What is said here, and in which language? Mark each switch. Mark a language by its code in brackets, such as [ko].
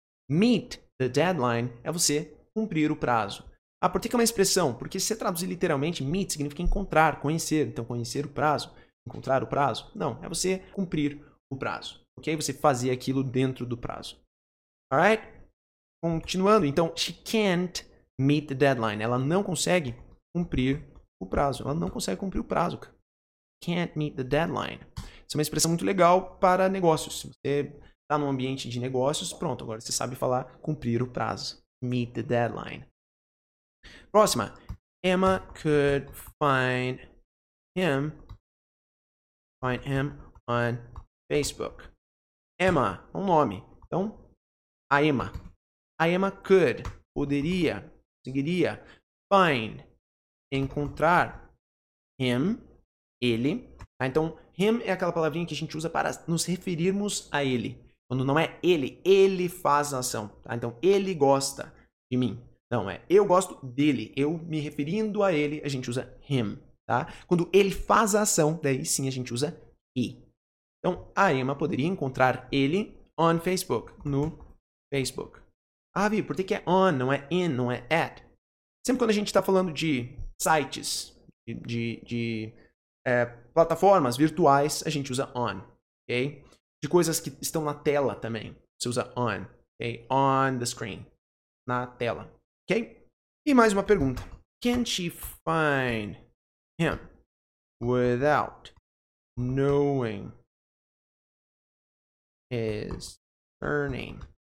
[en] Meet the deadline [pt] é você cumprir o prazo. Ah, por que é uma expressão? Porque se você traduzir literalmente, meet significa encontrar, conhecer. Então, conhecer o prazo, encontrar o prazo. Não, é você cumprir o prazo. Ok? Você fazer aquilo dentro do prazo. Alright? Continuando. [en] Então, she can't meet the deadline. [pt] Ela não consegue cumprir o prazo. Ela não consegue cumprir o prazo. [en] Can't meet the deadline. [pt] Isso é uma expressão muito legal para negócios. Se você está num ambiente de negócios, pronto. Agora você sabe falar cumprir o prazo. [en] Meet the deadline. Próxima. Emma could find him on Facebook. [pt] Emma é um nome. Então, a Emma. A Emma could, poderia, conseguiria find, encontrar him, ele. Tá? Então, him é aquela palavrinha que a gente usa para nos referirmos a ele. Quando não é ele faz a ação. Tá? Então, ele gosta de mim. Não, é eu gosto dele. Eu me referindo a ele, a gente usa him, tá? Quando ele faz a ação, daí sim a gente usa he. Então, a Emma poderia encontrar ele [en] on Facebook, [pt] no Facebook. Ah, Vi, por que é on, não é in, não é at? Sempre quando a gente está falando de sites, de plataformas virtuais, a gente usa on, ok? De coisas que estão na tela também, você usa on, ok? [en] On the screen, [pt] na tela, ok? E mais uma pergunta. [en] Can she find him without knowing his surname?